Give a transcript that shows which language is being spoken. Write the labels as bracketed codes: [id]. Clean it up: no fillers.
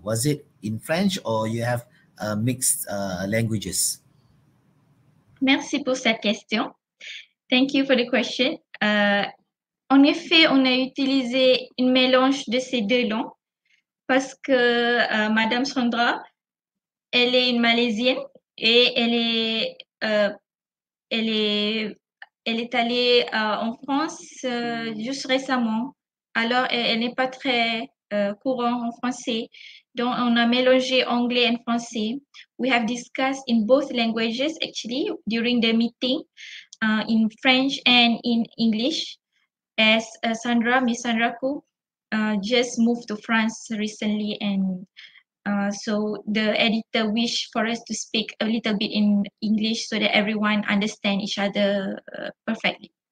[en] Was it in French or you have mixed languages? [fr] Merci pour cette question. [en] Thank you for the question. [fr] En effet, on a utilisé une mélange de ces deux langues parce que Madame Sandra, elle est une Malaisienne et elle est allée en France juste récemment. Alors, elle n'est pas très courant en français. Donc, on a mélangé anglais et français. [en] We have discussed in both languages, actually, during the meeting, in French and in English. As Sandra, Miss Sandra Ku, just moved to France recently. And so the editor wished for us to speak a little bit in English so that everyone understand each other perfectly.